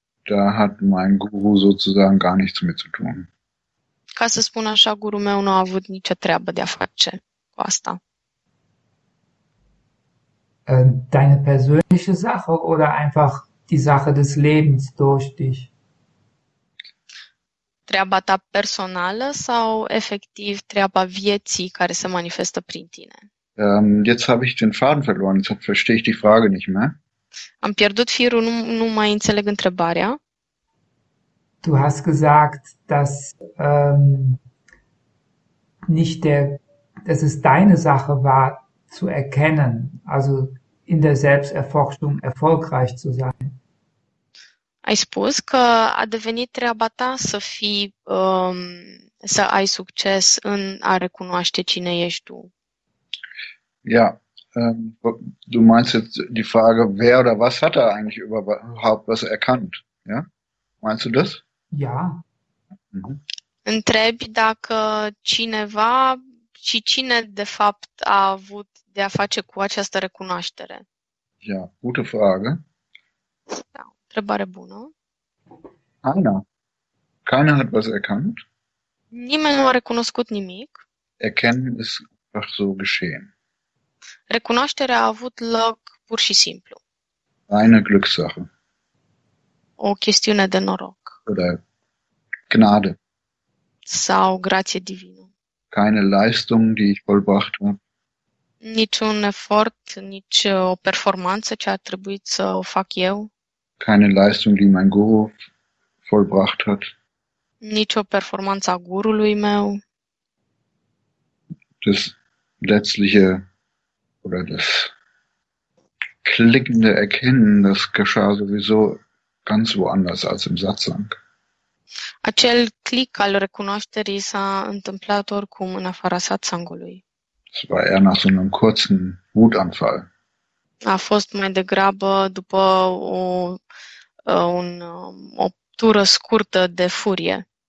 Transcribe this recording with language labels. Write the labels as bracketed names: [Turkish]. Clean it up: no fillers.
[German] Da hat mein Guru sozusagen gar nichts mit zu tun. [Romanian] Ca să spun așa, gurul meu nu a avut nicio treabă de a face cu asta. [German] Deine persönliche Sache oder einfach die Sache des Lebens durch dich? [Romanian] Treaba ta personală sau efectiv treaba vieții care se manifestă prin tine? [German] Jetzt habe ich den Faden verloren, jetzt verstehe ich die Frage nicht mehr. [Romanian] Am pierdut firul, nu mai înțeleg întrebarea. [German] Du hast gesagt, dass nicht der, dass es deine Sache war, zu erkennen, also in der Selbsterforschung erfolgreich zu sein. [Romanian] Ai spus că a devenit treaba ta să fii, să ai succes în a recunoaște cine ești tu. [German] Ja, du meinst jetzt die Frage, wer oder was hat er eigentlich überhaupt was erkannt? Ja? Meinst du das? Ja. [Romanian] Întrebi dacă cineva și cine de fapt a avut de a face cu această recunoaștere. [German] Ja, gute Frage. [Romanian] Da, întrebare bună. [German] Keiner hat was erkannt. [Romanian] Nimeni nu a recunoscut nimic. [German] Erkennen ist einfach so geschehen. [Romanian] Recunoașterea a avut loc pur și simplu. [German] Reine Glückssache. [Romanian] O chestiune de noroc. [German] Oder Gnade. [Romanian] Sau grație divină. [German] Keine Leistung, die ich vollbracht habe. [Romanian] Niciun efort, nici o performanță ce a trebuit să o fac eu. [German] Keine Leistung, die mein Guru vollbracht hat. [Romanian] Nici o performanță a gurului meu. [German] Das letztliche oder das klingende Erkennen, das geschah sowieso ganz woanders als im Satsang. [Romanian] Acel click al recunoașterii s-a întâmplat oricum în afara satsangului. [German] Das war eher nach so einem kurzen Wutanfall. [Romanian] A fost mai degrabă după o tură scurtă de furie.